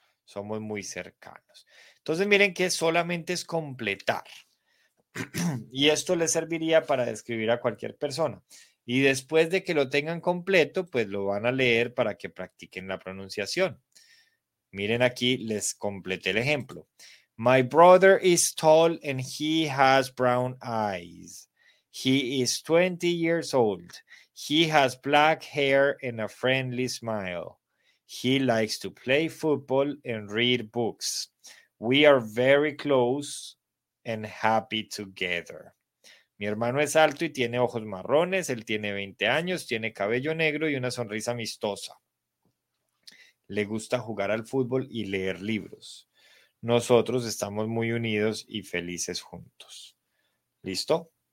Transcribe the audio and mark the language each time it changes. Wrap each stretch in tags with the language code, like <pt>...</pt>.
<es>Somos muy cercanos. Entonces, miren que solamente es completar. Y esto les serviría para describir a cualquier persona. Y después de que lo tengan completo, pues lo van a leer para que practiquen la pronunciación. Miren aquí, les completé el ejemplo.</es> <en>My brother is tall and he has brown eyes. He is 20 years old. He has black hair and a friendly smile. He likes to play football and read books. We are very close and happy together.</en> <es>Mi hermano es alto y tiene ojos marrones. Él tiene 20 años, tiene cabello negro y una sonrisa amistosa. Le gusta jugar al fútbol y leer libros. Nosotros estamos muy unidos y felices juntos. ¿Listo?</es>